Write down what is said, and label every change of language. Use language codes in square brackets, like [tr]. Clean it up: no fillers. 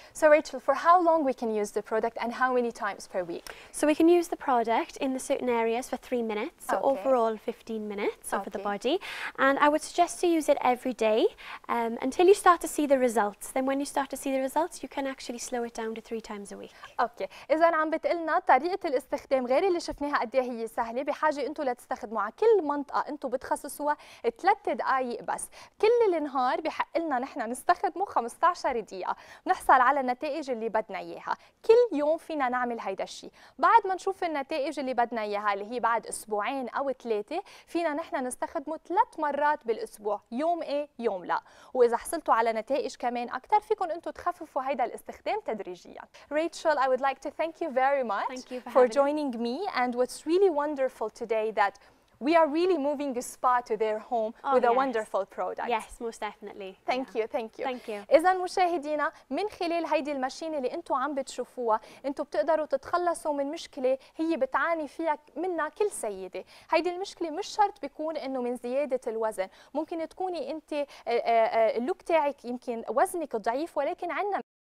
[en] So Rachel, for how long we can use the product and how many times per week? So we can use the product in the certain areas for 3 minutes, so okay. overall 15 minutes over okay. the body. And I would suggest to use it every day until you start to see the results. Then when you start to see the results, you can actually slow it down to 3 times a week. [ar] اوكي، إذا عم بتقلنا طريقة الاستخدام غير اللي شفناها قد إيه هي سهلة، بحاجة أنتم لتستخدموها كل منطقة أنتم بتخصصوها 3 دقائق بس، كل النهار بحق لنا نحن نستخدمه 15 دقيقة، بنحصل على النتائج اللي بدنا إياها، كل يوم فينا نعمل هيدا الشيء، بعد ما نشوف النتائج اللي بدنا إياها اللي هي بعد أسبوعين أو 3، فينا نحن نستخدمه 3 مرات بالأسبوع، يوم إيه يوم لا، وإذا حصلتوا على نتائج كمان أكثر فيكم أنتم تخففوا هيدا الاستخدام تدريجياً. [en] Rachel, I would like to thank you very much for joining me. And what's really wonderful today that we are really moving a spa to their home with a wonderful product. Yes, most definitely. Thank you, thank you. Thank you. [ar] إذن مشاهدينا من خلال هيدي الماشينة اللي أنتوا عم بتشوفوها أنتوا بتقدروا تتخلصوا من مشكلة هي بتعاني فيها منها كل سيدة. هيدي المشكلة مش شرط بيكون أنه من زيادة الوزن، ممكن تكوني أنت اللوك تاعك يمكن وزنك ضعيف ولكن عندنا